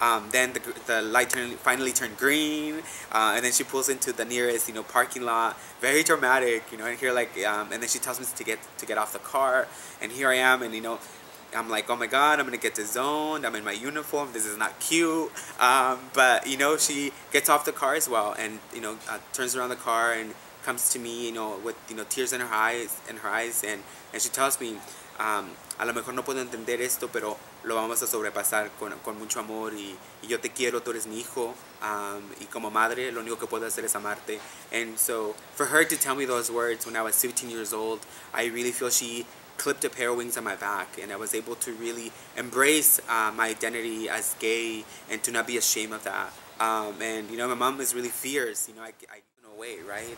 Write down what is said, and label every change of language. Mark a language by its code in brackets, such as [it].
[en] then the light finally turned green, and then she pulls into the nearest, you know, parking lot, very dramatic, you know, and here, like, and then she tells me to get off the car, and here I am, and, you know, I'm like, oh my God, I'm gonna get disowned. I'm in my uniform. This is not cute. But, you know, she gets off the car as well and, you know, turns around the car and comes to me, you know, with, you know, tears in her eyes. And she tells me, [es] a lo mejor no puedo entender esto, pero lo vamos a sobrepasar con mucho amor. Y yo te quiero, tú eres mi hijo. Y como madre, lo único que puedo hacer es amarte. [en] And so, for her to tell me those words when I was 17 years old, I really feel she clipped a pair of wings on my back, and I was able to really embrace my identity as gay and to not be ashamed of that. And you know, my mom is really fierce. You know, I gave it away, right?